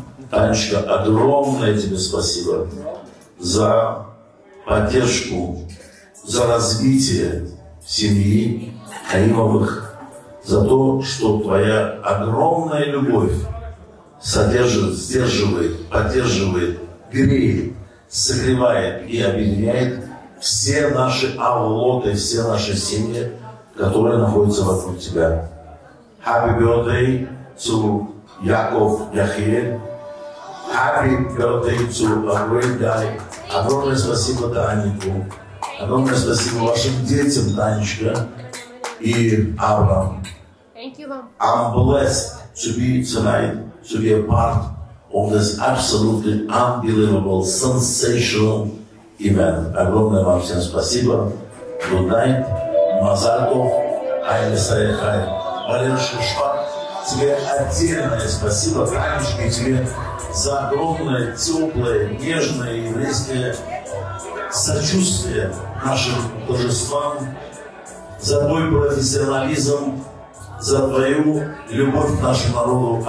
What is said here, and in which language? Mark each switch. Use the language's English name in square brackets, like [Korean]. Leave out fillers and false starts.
[Russian] Танечка, огромное тебе спасибо за поддержку, за развитие семьи Каимовых, за то, что твоя огромная любовь содержит, сдерживает, поддерживает, греет, согревает и объединяет все наши авлоты, все наши семьи, которые находятся вокруг тебя. [English] Happy birthday to Яков Яхиэль. Happy birthday to a great guy. [Russian] Огромное спасибо Данику. Огромное спасибо вашим детям, Данечка и Абрам. [English] Thank you, Mom. I'm blessed to be tonight, to be a part of this absolutely unbelievable, sensational event. [Russian] Огромное вам всем спасибо. [English] Good night. Mazal Tov. Hai, Mr. Hai. [Russian] Валерий Шпак, тебе отдельное спасибо, Танечка, и тебе за огромное, теплое, нежное еврейское сочувствие нашим божествам, за твой профессионализм, за твою любовь к нашему народу.